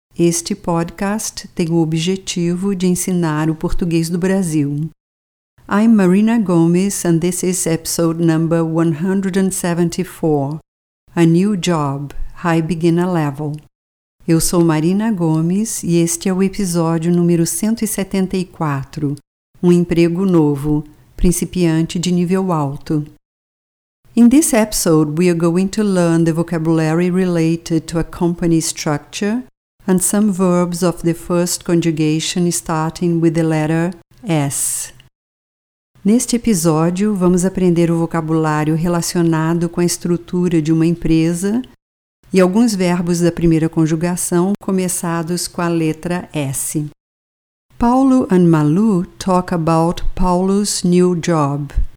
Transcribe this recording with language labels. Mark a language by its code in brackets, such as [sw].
[pt] Este podcast tem o objetivo de ensinar o português do Brasil. [en] I'm Marina Gomes and this is episode number 174. A New Job, High Beginner Level. [pt] Eu sou Marina Gomes e este é o episódio número 174. Um emprego novo, principiante de nível alto. [en] In this episode, we are going to learn the vocabulary related to a company structure and some verbs of the first conjugation starting with the letter S. [pt] Neste episódio, vamos aprender o vocabulário relacionado com a estrutura de uma empresa e alguns verbos da primeira conjugação começados com a letra S. [en] Paulo and Malu talk about Paulo's new job.